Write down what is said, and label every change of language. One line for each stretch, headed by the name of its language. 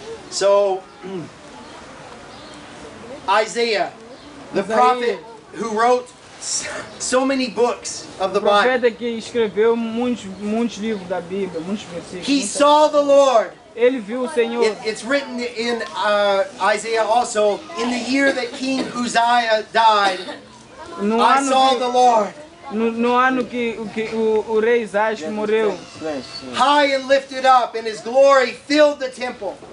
English: So, Isaiah, the prophet who wrote so many books of the Bible.
Portuguese: Profeta que escreveu muitos livros da Bíblia, muitos versículos.
English: He saw the Lord.
Portuguese: Ele viu o Senhor.
English: It's written in Isaiah also, in the year that King Uzziah died, I saw the Lord.
Portuguese: No ano que o rei Uzias morreu.
English: High and lifted up, and his glory filled the temple.